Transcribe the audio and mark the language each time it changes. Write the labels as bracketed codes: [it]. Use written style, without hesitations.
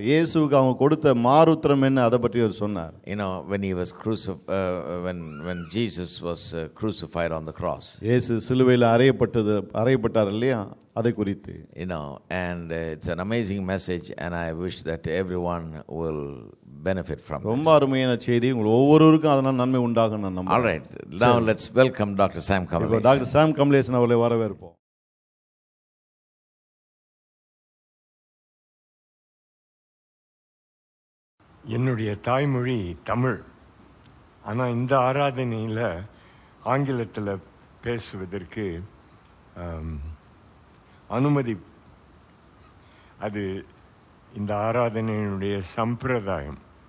[ta] இயேசுக்கு அவங்க கொடுத்த மாறு உத்தரம் என்ன, அதை பற்றி அவர் சொன்னார். [en] You know, when he was when Jesus was crucified on the cross. [ta] இயேசு சிலுவையில் அறையப்பட்டார் இல்லையா, அதை குறித்து. [en] You know, and it's an amazing message and I wish that everyone will benefit from this. [ta] ரொம்ப அருமையான செய்தி, உங்களுக்கு ஒவ்வொருவருக்கும் அதனால் நன்மை உண்டாகும் நான் நம்புறேன். [en] All right, now let's welcome Dr. Sam Kamalesan. [ta] Doctor சாம் கமலேசன் அவர்களை வரவேற்போம். என்னுடைய தாய்மொழி தமிழ், ஆனால் இந்த ஆராதனையில் ஆங்கிலத்தில் பேசுவதற்கு அனுமதி, அது இந்த ஆராதனையினுடைய சம்பிரதாயம்.